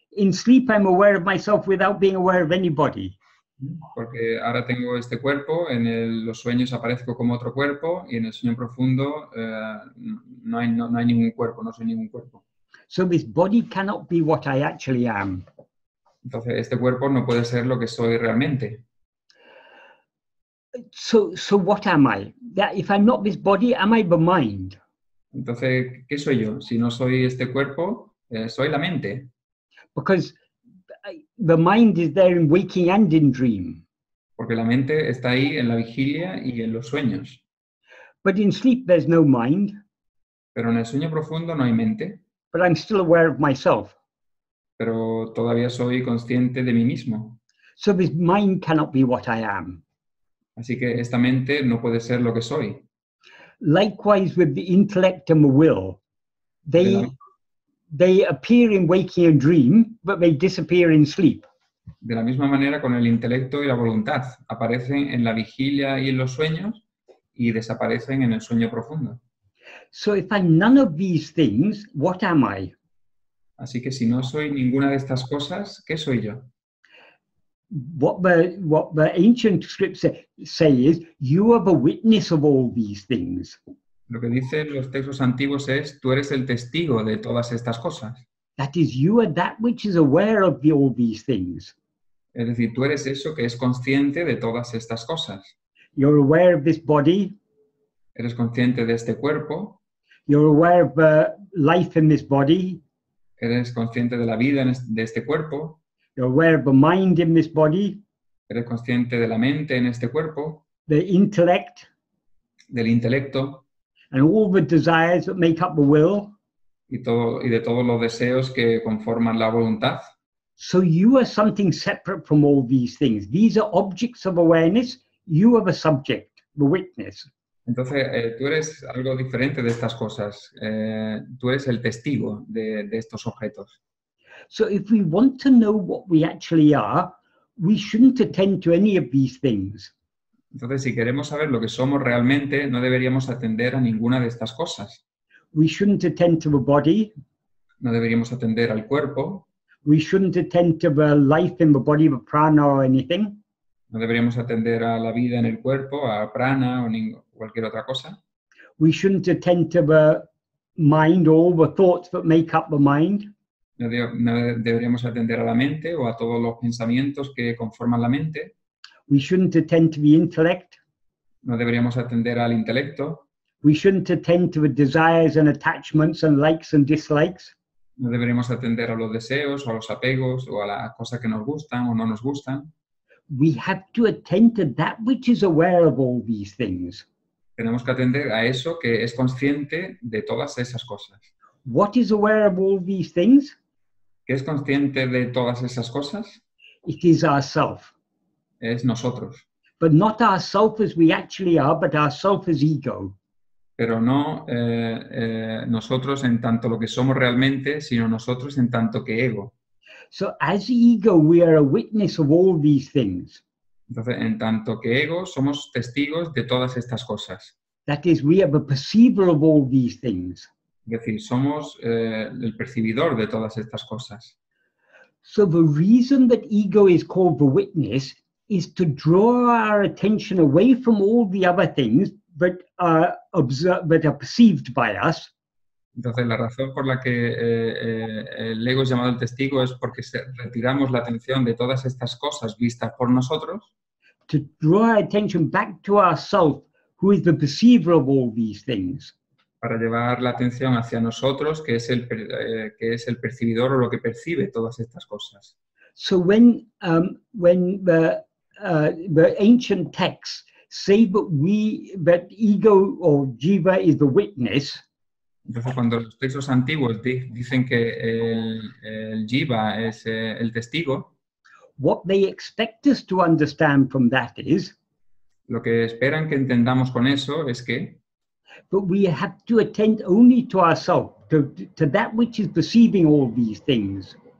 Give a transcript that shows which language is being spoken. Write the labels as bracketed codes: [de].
[en] In sleep, I'm aware of myself without being aware of anybody. [es] Porque ahora tengo este cuerpo, en los sueños aparezco como otro cuerpo, y en el sueño profundo no hay ningún cuerpo, no soy ningún cuerpo. [en] So this body cannot be what I actually am. [es] Entonces este cuerpo no puede ser lo que soy realmente. [en] So what am I? That if I'm not this body, am I the mind? [es] Entonces, ¿qué soy yo? Si no soy este cuerpo, soy la mente. [en] Because the mind is there in waking and in dream. [es] Porque la mente está ahí en la vigilia y en los sueños. [en] But in sleep there's no mind. [es] Pero en el sueño profundo no hay mente. [en] But I'm still aware of myself. [es] Pero todavía soy consciente de mí mismo. [en] So this mind cannot be what I am. [es] Así que esta mente no puede ser lo que soy. [en] Likewise with the intellect and the will. They appear in waking and dream, but they disappear in sleep. [es] De la misma manera con el intelecto y la voluntad. Aparecen en la vigilia y en los sueños y desaparecen en el sueño profundo. [en] So if I'm none of these things, what am I? [es] Así que si no soy ninguna de estas cosas, ¿qué soy yo? [en] What the ancient scripts say is, you are the witness of all these things. [es] Lo que dicen los textos antiguos es, tú eres el testigo de todas estas cosas. [en] That is, you are that which is aware of all these things. [es] Es decir, tú eres eso que es consciente de todas estas cosas. [en] You're aware of this body. [es] Eres consciente de este cuerpo. [en] You're aware of life in this body. [es] Eres consciente de la vida de este cuerpo. [en] You're aware of the mind in this body. [es] Eres consciente de la mente en este cuerpo. [en] The intellect. [es] Del intelecto. [en] And all the desires that make up the will. [es] Y de todos los deseos que conforman la voluntad. [en] So you are something separate from all these things. These are objects of awareness. You are the subject, the witness. [es] Entonces, tú eres algo diferente de estas cosas. Tú eres el testigo de estos objetos. [en] So if we want to know what we actually are, we shouldn't attend to any of these things. [es] Entonces, si queremos saber lo que somos realmente, no deberíamos atender a ninguna de estas cosas. [en] We shouldn't attend to the body. [es] No deberíamos atender al cuerpo. [en] We shouldn't attend to the life in the body, the prana or anything. [es] No deberíamos atender a la vida en el cuerpo, a prana o cualquier otra cosa. [en] We shouldn't attend to the mind or all the thoughts that make up the mind. [es] No deberíamos atender a la mente o a todos los pensamientos que conforman la mente. [en] We shouldn't attend to the intellect. [es] No deberíamos atender al intelecto. [en] We shouldn't attend to the desires and attachments and likes and dislikes. [es] No deberíamos atender a los deseos o a los apegos o a las cosas que nos gustan o no nos gustan. [en] We have to attend to that which is aware of all these things. [es] Tenemos que atender a eso que es consciente de todas esas cosas. [en] What is aware of all these things? [es] ¿Qué es consciente de todas esas cosas? [en] It is ourself. [es] Es nosotros. [en] But not ourself as we actually are, but ourself as ego. [es] Pero no nosotros en tanto lo que somos realmente, sino nosotros en tanto que ego. [en] So as ego, we are a witness of all these things. [es] Entonces, en tanto que ego, somos testigos de todas estas cosas. [en] That is, we are the perceiver of all these things. [es] Es decir, somos el percibidor de todas estas cosas. [en] So the reason that ego is called the witness is to draw our attention away from all the other things that are observed, that are perceived by us. [es] Entonces, la razón por la que el ego es llamado el testigo es porque retiramos la atención de todas estas cosas vistas por nosotros. [en] To draw our attention back to ourself, who is the perceiver of all these things. [es] Para llevar la atención hacia nosotros, que es el percibidor o lo que percibe todas estas cosas. [en] So when the ancient texts say that ego or jiva is the witness. [es] Entonces, cuando los textos antiguos dicen que el jiva es el testigo. [en] What they expect us to understand from that is. [es] Lo que esperan que entendamos con eso es que. [en] But we have to attend only to ourselves, to that which is perceiving all these things.